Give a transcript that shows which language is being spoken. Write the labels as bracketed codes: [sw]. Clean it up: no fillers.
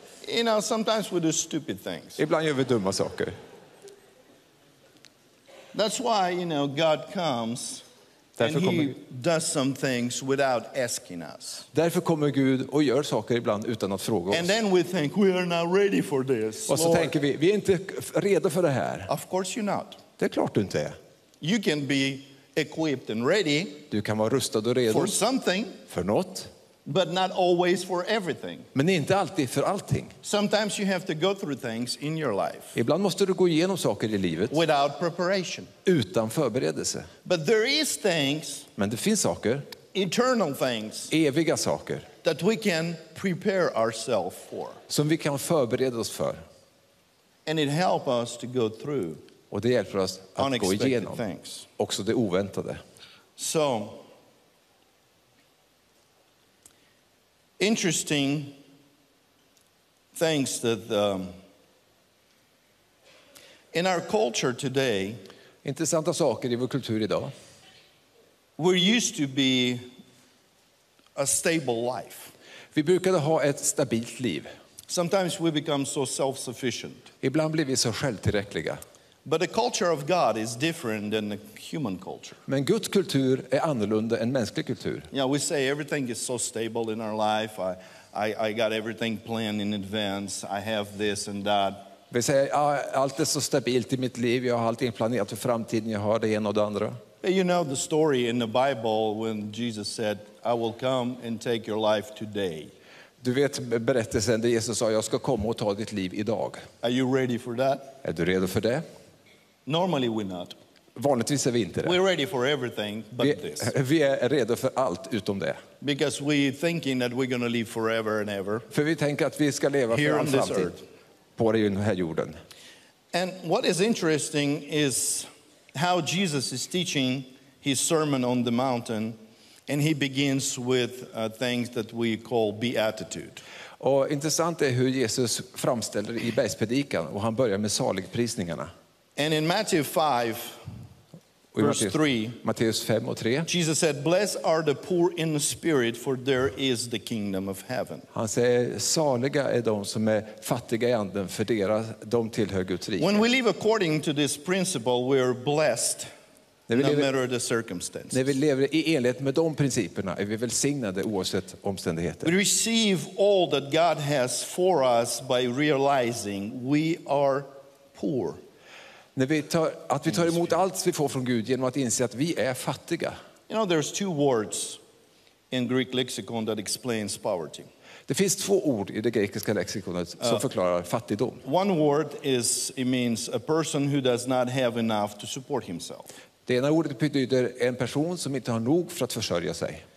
[en] You know, sometimes we do stupid things. [sv] Ibland gör vi dumma saker. [en] That's why, you know, God comes and he does some things without asking us. [sv] Därför kommer Gud och gör saker ibland utan att fråga oss. [en] And then we think we are not ready for this. [sv] Och så tänker vi är inte redo för det här. [en] Of course you're not. [sv] Det är klart du inte är. [en] You can be equipped and ready. [sv] Du kan vara rustad och redo [en] for something. [sv] För något. [en] But not always for everything. [sv] Men inte alltid för allting. [en] Sometimes you have to go through things in your life. [sv] Ibland måste du gå igenom saker I livet. [en] Without preparation. [sv] Utan förberedelse. [en] But there is things. [sv] Men det finns saker. [en] Eternal things. [sv] Eviga saker. [en] That we can prepare ourselves for. [sv] Som vi kan förbereda oss för. [en] And it helps us to go through. [sv] Och det hjälper oss att gå igenom things. Också det oväntade. [en] So. Interesting things that in our culture today. [sv] Intressanta saker I vår kultur idag. [en] We used to be a stable life. [sv] Vi brukade ha ett stabilt liv. [en] Sometimes we become so self-sufficient. [sv] Ibland blir vi så självtillräckliga. [en] But the culture of God is different than the human culture. [sv] Men Guds kultur är annorlunda än mänsklig kultur. [en] Yeah, we say everything is so stable in our life. I got everything planned in advance. I have this and that. [sv] Vi säger allt är så stabilt I mitt liv. Jag har allting planerat för framtiden. Jag har det ena och det andra. [en] You know the story in the Bible when Jesus said, "I will come and take your life today." [sv] Du vet berättelsen där Jesus sa, "Jag ska komma och ta ditt liv idag." [en] Are you ready for that? [sv] Är du redo för det? [en] Normally we're not. [sv] Vanligtvis är vi inte det. [en] We're ready for everything but [sv] vi, [en] this. [sv] Vi är redo för allt utom det. [en] Because we're thinking that we're going to live forever and ever. [sv] För vi tänker att vi ska leva för all framtid. På den här jorden. [en] And what is interesting is how Jesus is teaching his sermon on the mountain, and he begins with things that we call beatitude. [sv] Och intressant är hur Jesus framställer I bergspredikan, och han börjar med saligprisningarna. [en] And in Matthew 5, verse 3, [sv] Matteus 5 och 3, [en] Jesus said, "Blessed are the poor in the spirit, for there is the kingdom of heaven." [sv] Han säger, saliga är de som är fattiga I anden, för deras, de tillhör Guds rike. [en] When we live according to this principle, we are blessed, no matter the circumstances. [sv] När vi lever I enlighet med de principerna, är vi välsignade oavsett omständigheter. [en] We receive all that God has for us by realizing we are poor. [sv] När vi tar, att vi tar emot allt vi får från Gud genom att inse att vi är fattiga. [en] You know, there's two words in Greek lexicon that explains poverty. [sv] Det finns två ord I det grekiska lexikonet som förklarar fattigdom. [en] One word is, it means a person who does not have enough to support himself. [sv] Det ena ordet betyder en person som inte har nog för att försörja sig.